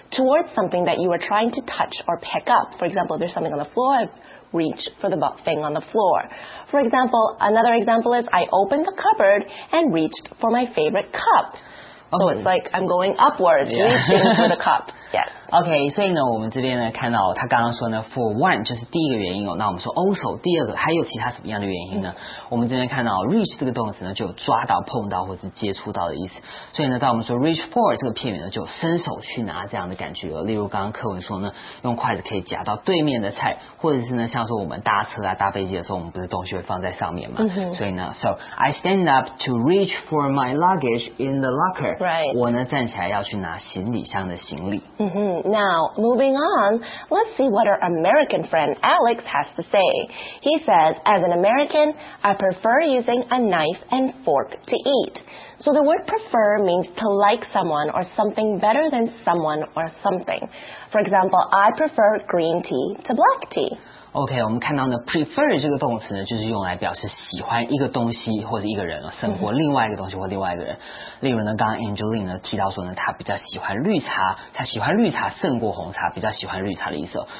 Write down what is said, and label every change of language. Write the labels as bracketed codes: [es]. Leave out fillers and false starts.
[en] towards something that you are trying to touch or pick up. For example, if there's something on the floor, I reach for the thing on the floor. For example, another example is I opened the cupboard and reached for my favorite cup. Okay. So it's like I'm going upwards, reaching for the cup. Yes. [zh] Okay, 所以呢，我们这边呢看到他刚刚说呢 ，for one 就是第一个原因哦。那我们说 also 第二个还有其他什么样的原因呢？我们这边看到 reach 这个动词呢，就有抓到、碰到或是接触到的意思。所以呢，当我们说 reach for 这个片语呢，就伸手去拿这样的感觉了。例如刚刚课文说呢，用筷子可以夹到对面的菜，或者是呢，像说我们搭车啊、搭飞机的时候，我们不是东西会放在上面嘛？ Mm-hmm. 所以呢 [en] ，so I stand up to reach for my luggage in the locker. Right. [zh] 我呢站起来要去拿行李箱的行李。 Mm-hmm. Mm-hmm. [en] Now, moving on, let's see what our American friend Alex has to say. He says, as an American, I prefer using a knife and fork to eat. So the word prefer means to like someone or something better than someone or something. For example, I prefer green tea to black tea. [zh] OK, 我们看到呢 prefer 这个动词呢就是用来表示喜欢一个东西或者一个人胜过另外一个东西或另外一个人。例如呢刚刚 Angeline 呢提到说呢他比较喜欢绿茶，他喜欢绿茶胜过红茶，比较喜欢绿茶的意思。